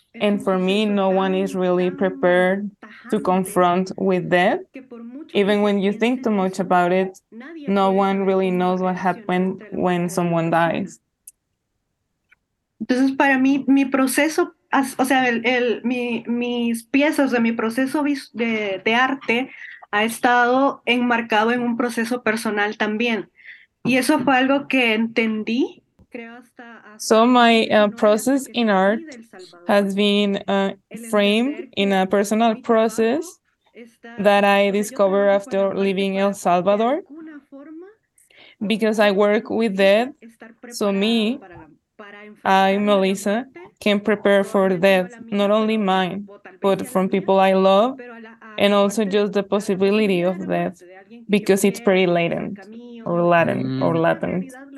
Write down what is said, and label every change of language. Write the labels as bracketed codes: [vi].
[en] And for me, no one is really prepared to confront with death. Even when you think too much about it, no one really knows what happened when someone dies. [es] Entonces, para mí, mi proceso, o sea, mis piezas de mi proceso de arte ha estado enmarcado en un proceso personal también. Y eso fue algo que entendí. [en] So my process in art has been framed in a personal process that I discovered after leaving El Salvador, because I work with death, so me, I, Melissa, can prepare for death, not only mine, but from people I love, and also just the possibility of death, because it's pretty latent, or latent.